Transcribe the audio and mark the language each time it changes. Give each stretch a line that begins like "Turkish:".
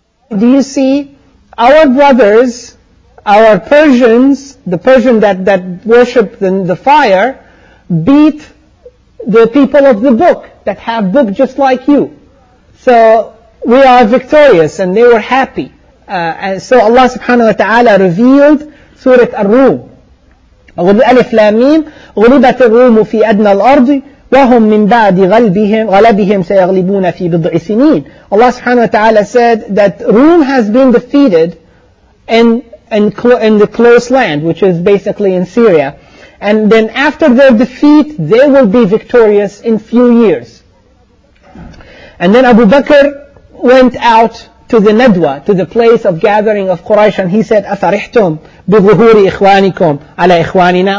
English: Do you see, our brothers, our Persians, the Persian that worshipped the fire, beat the people of the book, that have book just like you. So we are victorious, and they were happy. And so Allah subhanahu wa ta'ala revealed Surah Ar-Rum.
Arabic: Alif Lam Mim, غلبت الروم في أدنى الأرض وهم من بعد غلبهم سيغلبون في بضع سنين.
English: Allah subhanahu wa ta'ala said that Rome has been defeated in the close land, which is basically in Syria. And then after their defeat, they will be victorious in few years. And then Abu Bakr went out to the Nadwa, to the place of gathering of Quraysh, and he said,
Arabic: أَفَرِحْتُمْ بِظُهُورِ إِخْوَانِكُمْ عَلَى إِخْوَانِنَا.